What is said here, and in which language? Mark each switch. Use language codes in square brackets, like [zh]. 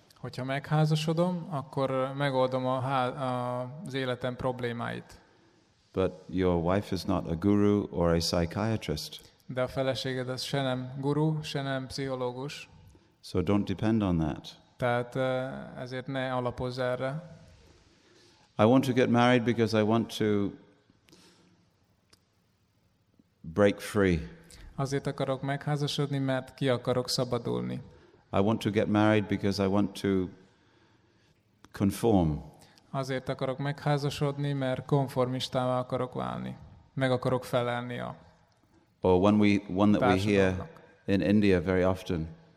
[hu] Hogyha megházasodom, akkor megoldom az életem problémáit. [en] But your wife is not a guru or a psychiatrist. [hu] De a feleséged az se nem guru, se nem pszichológus. [en] So don't depend on that. [hu] Tehát ezért ne alapozz erre. [en] I want to get married because I want to break free. [hu] Azért akarok megházasodni, mert ki akarok szabadulni. [en] I want to get married because I want to conform. [hu] Azért akarok megházasodni, mert konformistává akarok válni. Meg akarok felelni a társadalomnak. [en] Or one that we hear in India very often.